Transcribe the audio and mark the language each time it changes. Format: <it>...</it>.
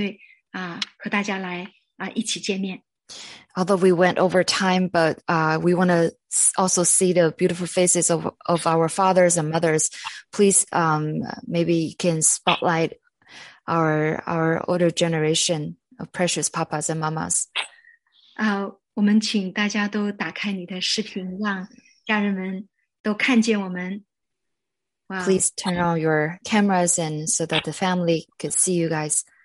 <zh>虽然时间稍微长了一点,但是我们还是想让大家看一下,刚刚Christina说,我们有这么多的爸爸妈妈,我们可不可以请技术团队把我们整个的查验团队和大家来一起见面。</zh> <en>Although we went over time, but we want to also see the beautiful faces of our fathers and mothers. Please, maybe you can spotlight our older generation of precious papas and mamas.</en> <zh>我们请大家都打开你的视频，让家人们都看见我们。Wow.</zh> <en>Please turn on your cameras and so that the family could see you guys.</en>